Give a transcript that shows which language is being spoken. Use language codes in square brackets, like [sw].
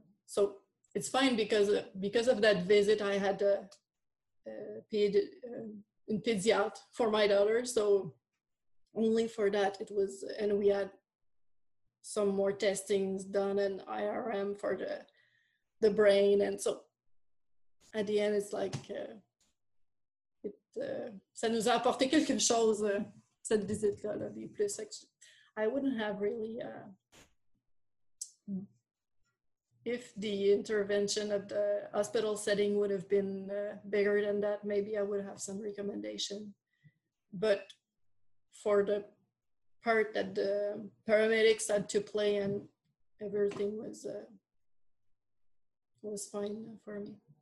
[en] So it's fine, because of that visit, I had in pediat for my daughter. So only for that it was, and we had some more testings done in IRM for the brain. And so at the end, it's like, [fr] ça nous a apporté quelque chose, cette visite-là, là, des plus. [en] I wouldn't have really, if the intervention at the hospital setting would have been bigger than that, maybe I would have some recommendation. But for the part that the paramedics had to play and everything was fine for me.